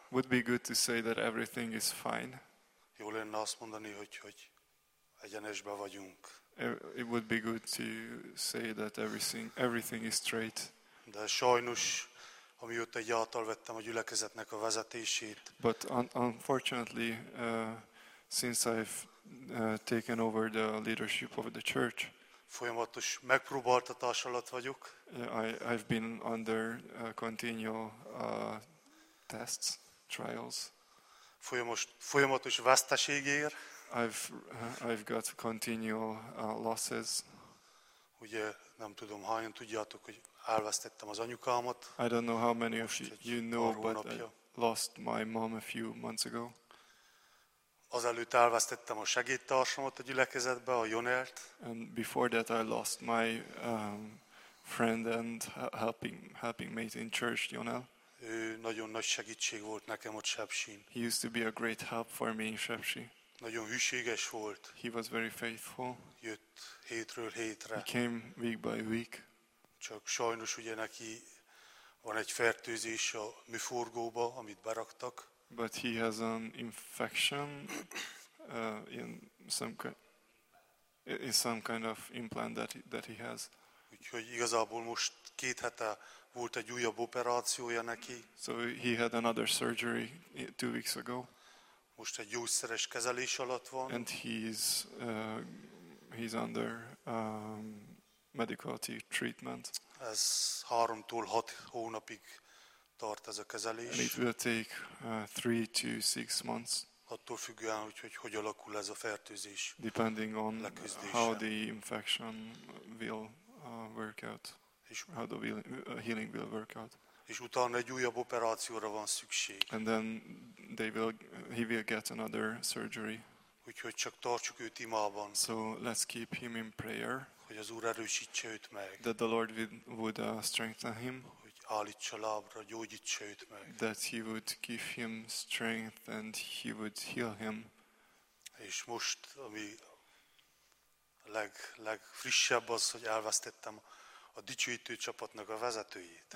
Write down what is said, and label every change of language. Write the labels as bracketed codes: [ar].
[en] Would be good to say that everything is fine. [hu] Jó lenne azt mondani, hogy egyenesben vagyunk. [en] It would be good to say that everything is straight. [hu] De sajnos, amióta egy által vettem a gyülekezetnek a vezetését. [en] But unfortunately, since I've taken over the leadership of the church, [hu] folyamatos megpróbáltatás alatt vagyok. [en] I've been under continual tests, trials. [hu] Folyamatos veszteségért. [en] I've got continual losses. [hu] Ugye nem tudom, hányan tudjátok, hogy elvesztettem az anyukámat. [en] I don't know how many of you know, but I lost my mom a few months ago. [hu] Azelőtt elvesztettem a segédtársamat a gyülekezetbe, a Jonert. [en] And before that I lost my friend and helping mate in church, Jonel. [hu] Ő nagyon nagy segítség volt nekem ott Sepsin. [en] He used to be a great help for me in Sepsi. [hu] Nagyon hűséges volt. [en] He was very faithful. [hu] Jött hétről hétre. [en] He came week by week. [hu] Csak sajnos ugye neki van egy fertőzés a műforgóba, amit beraktak. [en] But he has an infection in some kind of implant that he has. [hu] Úgyhogy igazából most két hete volt egy újabb operációja neki. [en] So he had another surgery 2 weeks ago. [hu] Most egy gyógyszeres kezelés alatt van. [en] And he's under medical treatment. [hu] Ez 3-6 hónapig tart ez a kezelés. [en] And it will take 3 to 6 months. [hu] Attól függően, hogy alakul ez a fertőzés. [en] Depending on how the infection will work out. [hu] És [en] how the healing will work out. [hu] És utána egy újabb operációra van szükség. [en] And then he will get another surgery. [hu] Úgyhogy csak tartsuk őt imában. [en] So let's keep him in prayer. [hu] Hogy az Úr erősítse őt meg. [en] That the Lord would strengthen him. [hu] Hogy állítsa lábra, gyógyítsa őt meg. [en] That he would give him strength and he would heal him. [hu] És most, ami a legfrissebb az, hogy elvesztettem a dicsőítő csapatnak a vezetőjét.